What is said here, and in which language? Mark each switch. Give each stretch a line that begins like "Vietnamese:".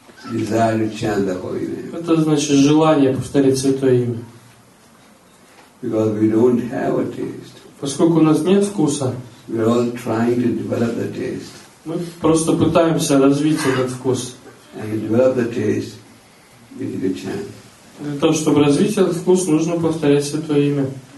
English: Desire to chant the holy name.
Russian: Это значит желание повторить святое имя.
English: Because we don't have a taste.
Russian: Поскольку у нас нет вкуса,
English: we're all trying to develop the taste.
Russian: Мы просто пытаемся развить этот вкус.
English: And to develop the taste, we need to chant.
Russian: Для того, чтобы развить этот вкус, нужно повторять святое имя.